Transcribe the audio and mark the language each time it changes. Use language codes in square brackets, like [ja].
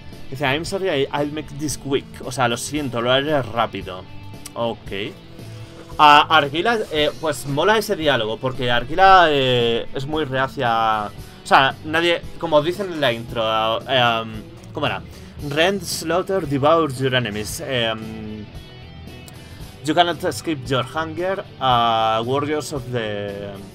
[es] Dice, [en] I'm sorry, I'll make this quick. [es] O sea, lo siento, lo haré rápido. Ok. A Arguila, pues mola ese diálogo, porque Arguila es muy reacia. O sea, nadie, como dicen en la intro, ¿cómo era? [en] Rend, slaughter, devour your enemies. You cannot escape your hunger, warriors of the.